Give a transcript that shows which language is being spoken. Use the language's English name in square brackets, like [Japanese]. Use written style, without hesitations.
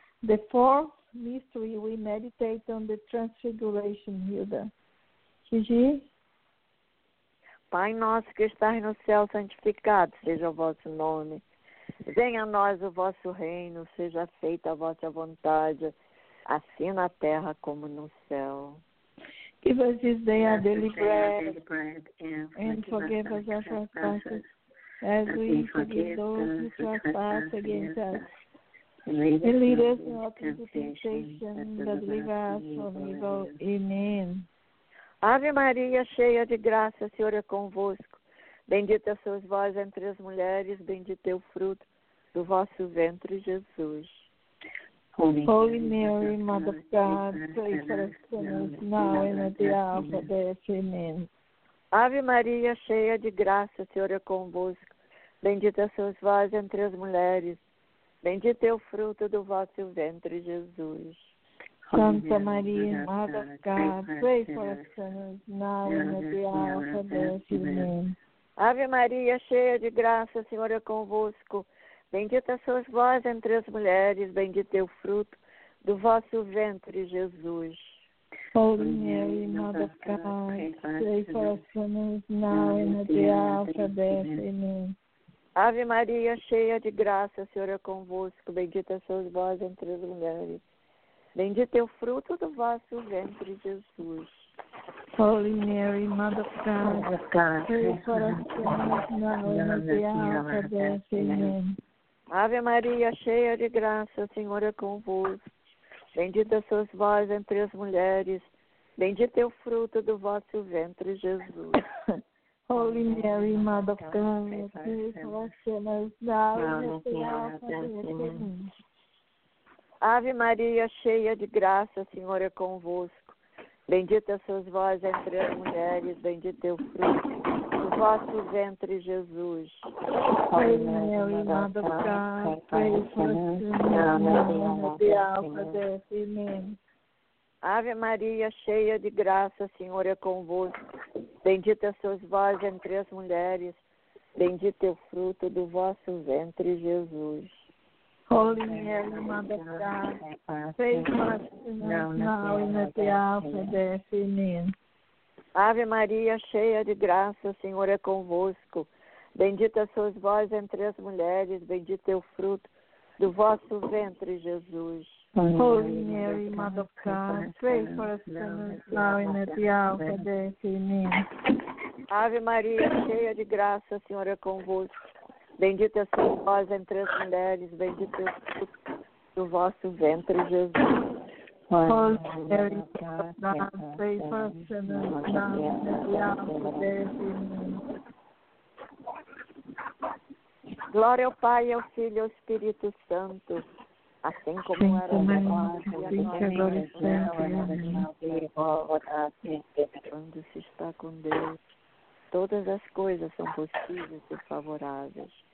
[English] The fourth mystery, we meditate on the transfiguration, Hilda. Gigi? [Portuguese] Pai nosso que estás no céu, santificado seja o vosso nome. Venha a nós o vosso reino, seja feita a vossa vontade, assim na terra como no céu. [English] Give us this day our daily bread, and forgive us our trespasses, as we forgive those who trespass against us. And lead us not into temptation, but deliver us from evil. Amen. [Portuguese] Ave Maria, cheia de graça, o Senhor é convosco. Bendita sois vós entre as mulheres, bendito é o fruto do vosso ventre, Jesus. [English] Holy Mary, Mother of God, pray for us sinners now and at the hour of our death. Amen. [Portuguese] Ave Maria, cheia de graça, o Senhor é convosco. Bendita sois vós entre as mulheres. Bendito é o fruto do vosso ventre, Jesus. [English] Santa Maria, Mother of God, pray for us sinners now and at the hour of our death. Amen. [Portuguese] Ave Maria, cheia de graça, o Senhor é convosco. Bendita sois vós entre as mulheres, bendito é o fruto do vosso ventre, Jesus. [English] Holy Mary, Mother of God, pray for us sinners now and at the hour of death. Amen. [Portuguese] Ave Maria, cheia de graça, o Senhor é convosco, bendita sois vós entre as mulheres. Bendito é o fruto do vosso ventre, Jesus. [English] Holy Mary, Mother of God, pray for us sinners now and at the hour of death. Amen. [Portuguese] Ave Maria, cheia de graça, o Senhor é convosco. Bendita sois vós entre as mulheres. Bendito é o fruto do vosso ventre, Jesus. [English] Holy Mary, Mother of God, pray for us sinners now and at the hour of death. Amen. [Portuguese] Ave Maria, cheia de graça, o Senhor é convosco. Bendita sois vós entre as mulheres. Bendito é o fruto do vosso ventre, Jesus. [English] Holy Mary, Mother of God, pray for us sinners now and at the hour of death. Amen. [Portuguese] Ave Maria, cheia de graça, o Senhor é convosco. Bendita sois vós entre as mulheres. Bendito é o fruto do vosso ventre, Jesus. [English] Holy Mary, Mother of God, pray for us now and at the hour of death. Amen. [Portuguese] Ave Maria, cheia de graça, o Senhor é convosco. Bendita sois vós entre as mulheres. Bendito é o fruto do vosso ventre, Jesus. [English] Holy Mary, Mother of God, pray for us sinners now and at the hour of death. Amen. [Portuguese] Ave Maria, cheia de graça, o Senhor é convosco. Bendita sois vós entre as mulheres, bendito é o fruto do vosso ventre, Jesus. [English] Holy Mary, Mother of God, pray for us sinners now and at the hour of death. Amen. [Portuguese] Glória ao Pai, ao Filho e ao Espírito Santo. Assim como sim, era na glória, agora e sempre. Quando se está com Deus, todas as coisas são possíveis e favoráveis.